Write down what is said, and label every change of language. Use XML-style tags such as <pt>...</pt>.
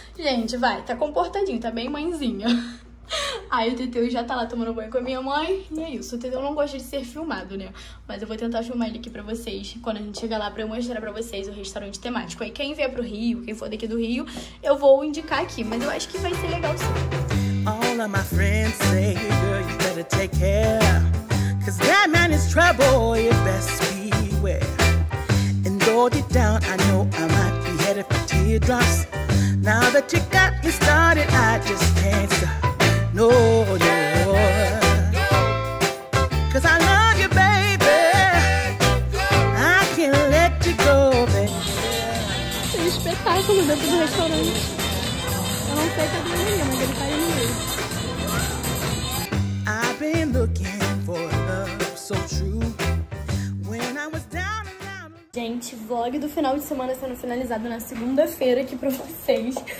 <pt>Gente, vai, tá comportadinho, tá bem mãezinha. Aí o Teteu já tá lá tomando banho com a minha mãe. E é isso, o Teteu não gosta de ser filmado, né? Mas eu vou tentar filmar ele aqui pra vocês quando a gente chegar lá pra eu mostrar pra vocês o restaurante temático. Aí quem vier pro Rio, quem for daqui do Rio, eu vou indicar aqui. Mas eu acho que vai ser legal sim.</pt> <en>All of my friends say, girl, you better take care, 'cause that man is trouble, you best beware. And though deep down I know I might be headed for teardrops, now that you got me started, I just can't stop. No, no, 'cause I love you, baby. I can't let you go, baby.</en> <pt>Tem espetáculo dentro do restaurante. Eu não sei se é do menino, mas ele tá indo.</pt> <en>I've been looking for love so true. When I was down and out.</en> <pt>Gente, vlog do final de semana sendo finalizado na segunda-feira aqui pra vocês.</pt>